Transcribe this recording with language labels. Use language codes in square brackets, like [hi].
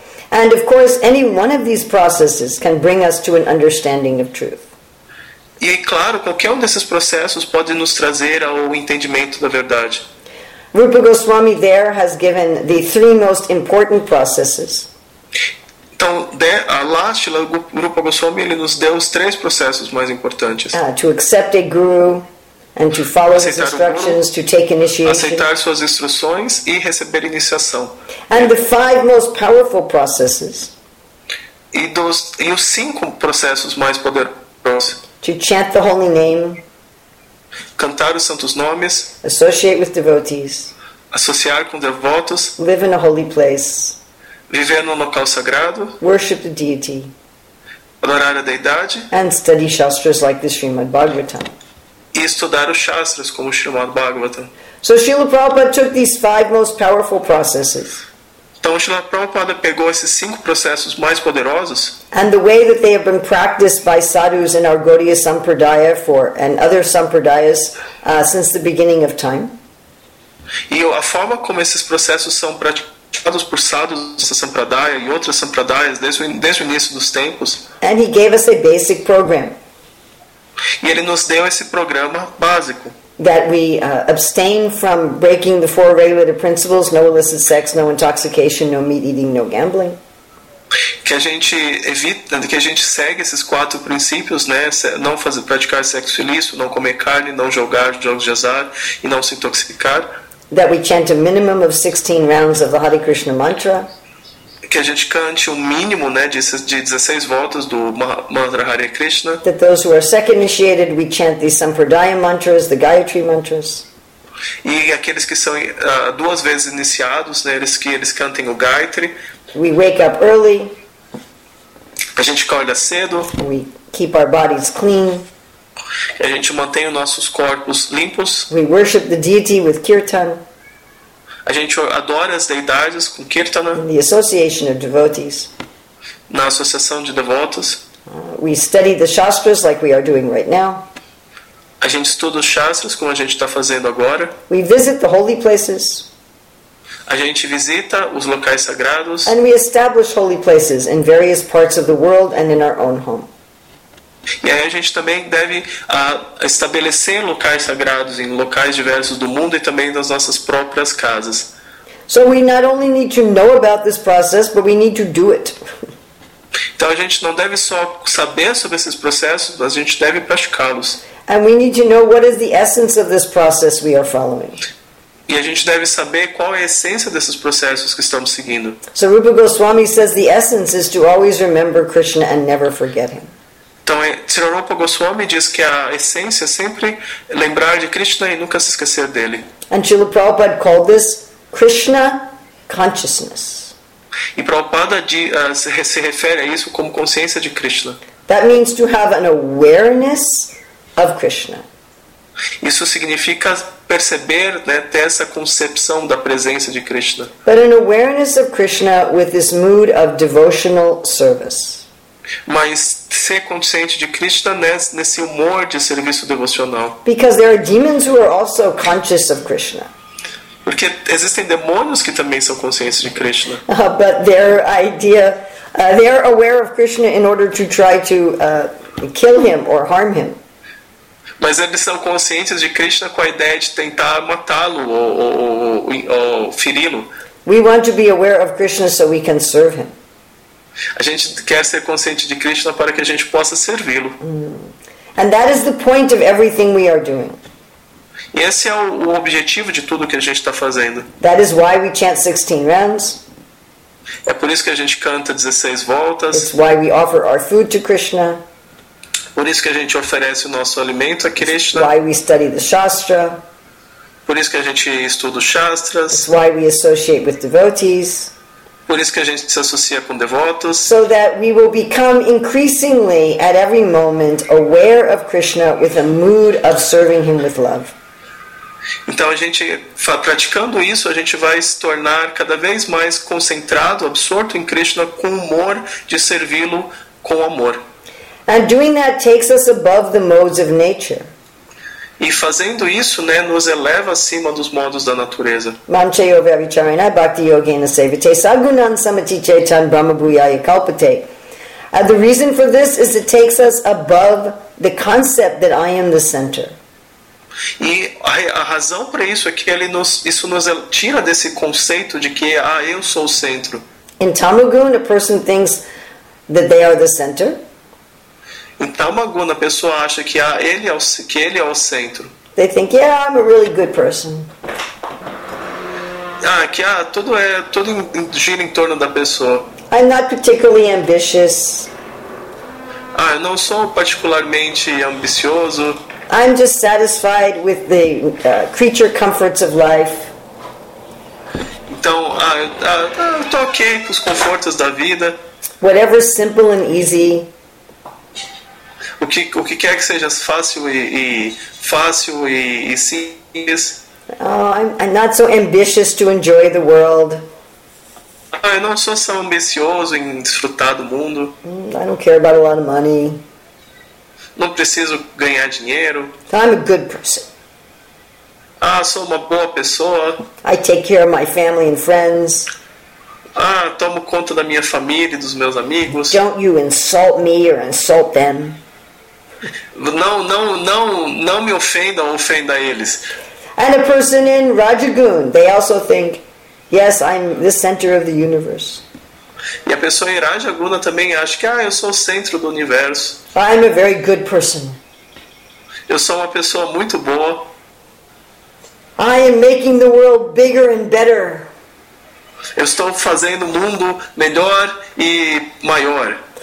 [en] And of course, any one of these processes can bring us to an understanding of truth. [pt] E claro, qualquer desses processos pode nos trazer ao entendimento da verdade. [en] Rupa Goswami there has given the three most important processes. [pt] Então, lá, Srila Rupa Goswami ele nos deu os três processos mais importantes. [en] To accept a guru and to follow [pt] aceitar [en] his instructions, [pt] guru, [en] to take initiation. [pt] Aceitar suas instruções e receber iniciação. [en] And the five most powerful processes. [pt] E os cinco processos mais poderosos. [en] To chant the holy name. [pt] Cantar os santos nomes. [en] Associate with devotees. [pt] Associar com devotos. [en] Live in a holy place. [pt] Viver num local sagrado. [en] Worship the deity. [pt] Adorar a deidade. [en] And study shastras like the Srimad Bhagavatam. [pt] E estudar os shastras como o Srimad Bhagavatam. [en] So Srila Prabhupada took these five most powerful processes. [pt] Então Srila Prabhupada pegou esses cinco processos mais poderosos. [en] And the way that they have been practiced by sadhus in our Gaudiya Sampradaya for and other sampradayas since the beginning of time. [pt] E a forma como esses processos são praticados por sadhus nessa sampradaya e outras sampradayas desde o início dos tempos. [en] And he gave us a basic program. [pt] E ele nos deu esse programa básico. [en] That we abstain from breaking the four regulative principles, no illicit sex, no intoxication, no meat eating, no gambling. [pt] Que a gente evita, que a gente segue esses quatro princípios, né? Não fazer, praticar sexo ilícito, não comer carne, não jogar jogos de azar e não se intoxicar. [en] That we chant a minimum of 16 rounds of the Hare Krishna mantra. [pt] Que a gente cante o mínimo, né, de 16 voltas do mantra Hare Krishna. [en] That those who are second initiated, we chant the Sampradaya mantras, the Gayatri mantras. [pt] E aqueles que são duas vezes iniciados, né, eles cantem o Gayatri. [en] We wake up early. [pt] A gente acorda cedo. [en] We keep our bodies clean. [pt] A gente mantém os nossos corpos limpos. [en] We worship the deity with kirtan. [pt] A gente adora as deidades com kirtana. [en] In the association of devotees. [pt] Na associação de devotos. [en] We study the shastras like we are doing right now. [pt] A gente estuda os shastras como a gente está fazendo agora. [en] We visit the holy places. [pt] A gente visita os locais sagrados. [en] And we establish holy places in various parts of the world and in our own home. [pt] E aí a gente também deve estabelecer locais sagrados em locais diversos do mundo e também nas nossas próprias casas. [en] So we not only need to know about this process, but we need to do it. [pt] Então a gente não deve só saber sobre esses processos, mas a gente deve praticá-los. [en] And we need to know what is the essence of this process we are following. [pt] E a gente deve saber qual é a essência desses processos que estamos seguindo. [en] So Rupa Goswami says the essence is to always remember Krishna and never forget him. [pt] Então, Srila Rupa Goswami diz que a essência é sempre lembrar de Krishna e nunca se esquecer dele. [en] And Srila Prabhupada called this Krishna consciousness. [pt] E Prabhupada se refere a isso como consciência de Krishna. [en] That means to have an awareness of Krishna. [pt] Isso significa perceber, né, ter essa concepção da presença de Krishna. [en] But an awareness of Krishna with this mood of devotional service. [pt] Mas ser consciente de Krishna nesse humor de serviço devocional. [en] Because there are demons who are also conscious of Krishna. [pt] Porque existem demônios que também são conscientes de Krishna. [en] But their idea, they are aware of Krishna in order to try to kill him or harm him. [pt] Mas eles são conscientes de Krishna com a ideia de tentar matá-lo ou feri-lo. [en] We want to be aware of Krishna so we can serve him. [pt] A gente quer ser consciente de Krishna para que a gente possa servi-lo. [en] And that is the point of everything we are doing. [pt] E esse é o objetivo de tudo que a gente está fazendo. [en] That is why we chant 16 rounds. [pt] É por isso que a gente canta 16 voltas. [en] It's why we offer our food to Krishna. [pt] Por isso que a gente oferece o nosso alimento a Krishna. [en] It's why we study the Shastra. [pt] Por isso que a gente estuda os Shastras. [en] It's why we associate with devotees. [pt] Por isso que a gente se associa com devotos. [en] So that we will become increasingly at every moment aware of Krishna with a mood of serving him with love. [pt] Então a gente, praticando isso, a gente vai se tornar cada vez mais concentrado, absorto em Krishna com humor de servi-lo com amor. [en] And doing that takes us above the modes of nature. [pt] E fazendo isso, né, nos eleva acima dos modos da natureza. [sa] Mamcheyo vavicharina bhakti yogena sevite sagunan samati chetan brahmabhuyaya kalpate. [en] The reason for this is it takes us above the concept that I am the center. [pt] E a razão para isso é que isso nos tira desse conceito de que eu sou o centro. [en] In tamaguna, a person thinks that they are the center. [pt] Em tamaguna, a pessoa acha que ele é o centro. [en] They think, yeah, I'm a really good person. [pt] Ah, que tudo gira em torno da pessoa. [en] I'm not particularly ambitious. [pt] Ah, eu não sou particularmente ambicioso. [en] I'm just satisfied with the creature comforts of life. [pt] Então, eu tô ok com os confortos da vida. [en] Whatever's simple and easy. [pt] O que quer que seja fácil e simples. [en] Oh, I'm not so ambitious to enjoy the world. [pt] Ah, eu não sou tão ambicioso em desfrutar do mundo. [en] I don't care about a lot of money. [pt] Não preciso ganhar dinheiro. [en] I'm a good person. [pt] Ah, sou uma boa pessoa. [en] I take care of my family and friends. [pt] Ah, tomo conta da minha família e dos meus amigos. [en] Don't you insult me or insult them. [pt] Não me ofenda ou ofenda eles. [en] And a person in Rajagun, they also think, yes, I'm the center of the universe. [pt] E a pessoa em Rajaguna também acha que eu sou o centro do universo. [en] I'm a very good person. [pt] Eu sou uma pessoa muito boa. [en] I am making the world bigger and better. [pt] Eu estou fazendo o mundo melhor e maior.